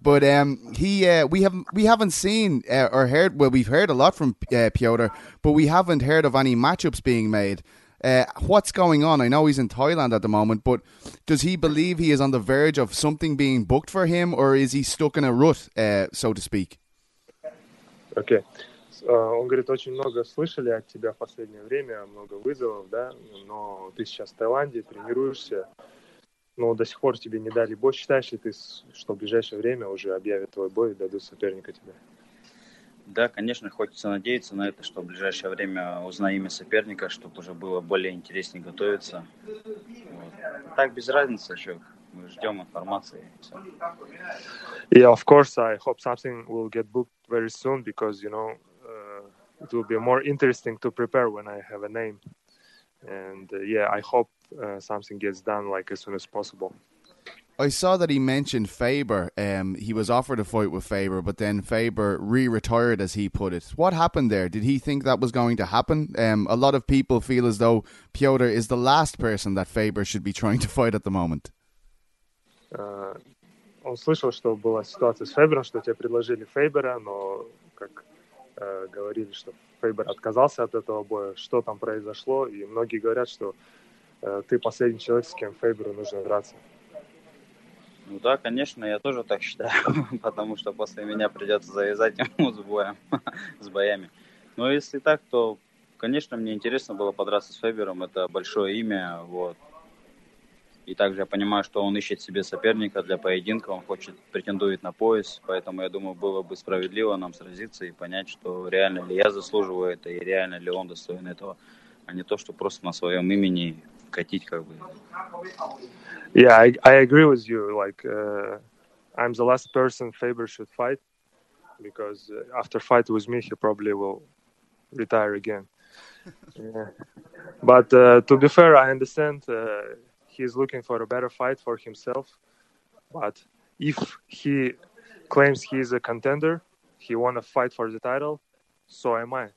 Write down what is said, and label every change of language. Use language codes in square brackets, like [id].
[en] But we haven't seen or heard, well, we've heard a lot from Piotr, but we haven't heard of any matchups being made. What's going on? I know he's in Thailand at the moment, but does he believe he is on the verge of something being booked for him, or is he stuck in a rut, so to speak? Okay. [ru] Он говорит, очень много слышали от тебя в последнее время, много вызовов, да, но ты сейчас в Таиланде, тренируешься, но до сих пор тебе не дали бой, считаешь ли ты, что в ближайшее время уже объявят твой бой и дадут соперника тебе? Да, конечно, хочется надеяться на это, что в ближайшее время узнаю имя соперника, чтобы уже было более интереснее готовиться. Вот. Так, без разницы еще. Мы ждем информации. [en] Yeah, of course, I hope something will get booked very soon, because, you know, it will be more interesting to prepare when I have a name. And yeah, I hope something gets done like as soon as possible. I saw that he mentioned Faber. He was offered a fight with Faber, but then Faber re-retired, as he put it. What happened there? Did he think that was going to happen? A lot of people feel as though Piotr is the last person that Faber should be trying to fight at the moment. [ru] Он слышал, что была ситуация с Фейбером, что тебе предложили Фейбера, но, как говорили, что Фейбер отказался от этого боя. Что там произошло? И многие говорят, что ты последний человек, с кем Фейберу нужно драться. Ну да, конечно, я тоже так считаю, потому что после меня придется завязать ему с боем, с боями. Но если так, то, конечно, мне интересно было подраться с Фейбером, это большое имя, вот. И также я понимаю, что он ищет себе соперника для поединка, он хочет, претендует на пояс, поэтому я думаю, было бы справедливо нам сразиться и понять, что реально ли я заслуживаю это, и реально ли он достоин этого, а не то, что просто на своем имени катить как бы. [en] Yeah, I agree with you, like, I'm the last person Faber should fight, because after fight with me, he probably will retire again. Yeah. But to be fair, I understand... He's looking for a better fight for himself, but if he claims he's a contender, he want to fight for the title, so am I.